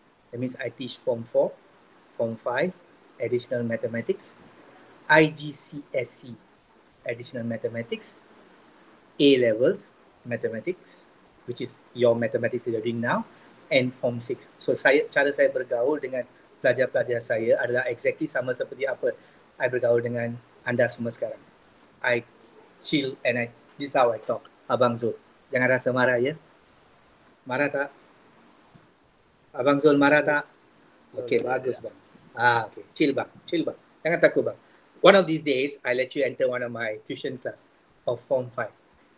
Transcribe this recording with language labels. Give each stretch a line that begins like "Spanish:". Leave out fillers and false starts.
English: That means I teach Form 4, Form 5, Additional Mathematics, IGCSE, Additional Mathematics, A-Levels, Mathematics, which is your mathematics that you're doing now, and Form 6.
Malay: So, saya, cara saya bergaul dengan pelajar-pelajar saya adalah exactly sama seperti apa I bergaul dengan anda semua sekarang.
English: I chill and I, this is how I talk.
Malay: Abang Zul, jangan rasa marah ya. Marah tak? Abang Zul marah tak? Okay, oh, bagus ya. Bang. Ah, okay. Chill bang, chill bang. Jangan takut bang.
English: One of these days, I let you enter one of my tuition class of Form 5.